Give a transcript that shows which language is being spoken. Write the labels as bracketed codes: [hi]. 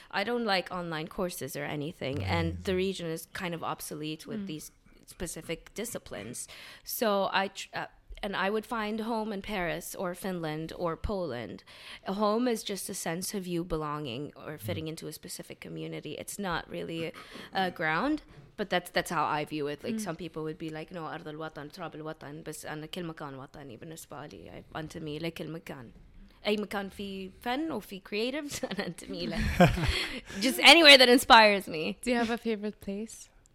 [en] I don't like online courses or anything. Nice. And the region is kind of obsolete with these specific disciplines. So I would find home in Paris or Finland or Poland. A home is just a sense of you belonging or fitting into a specific community. It's not really a ground, but that's how I view it. Like, some people would be like, no, [ar] أرض الوطن, تراب الوطن, بس أنا كل مكان وطني بالنسبة لي. I انتمي لكل مكان. أي مكان في فن أو في creatives, أنا انتمي له. [en] Just anywhere that inspires me. Do you have a favorite place?